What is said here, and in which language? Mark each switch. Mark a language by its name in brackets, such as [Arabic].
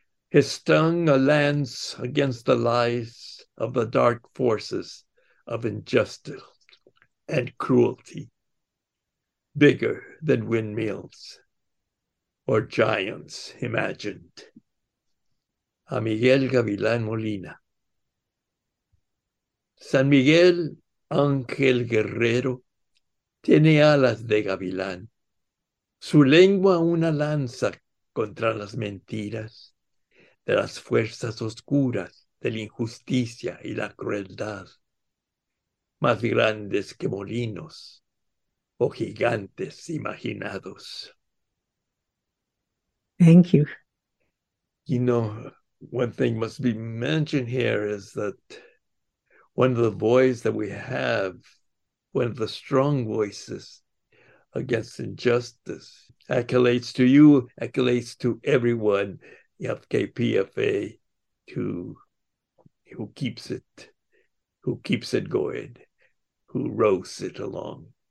[English] His tongue a lance against the lies of the dark forces of injustice and cruelty, bigger than windmills or giants imagined. [Spanish] A Miguel Gavilán Molina. San Miguel Ángel Guerrero tiene alas de gavilán, su lengua una lanza contra las mentiras de las fuerzas oscuras de la injusticia y la crueldad, más grandes que molinos o gigantes imaginados. [English] Thank you. You know, one thing must be mentioned here is that one of the voices that we have, one of the strong voices against injustice, accolades to you, accolades to everyone, FKPFA, who keeps it going, who roasts it along.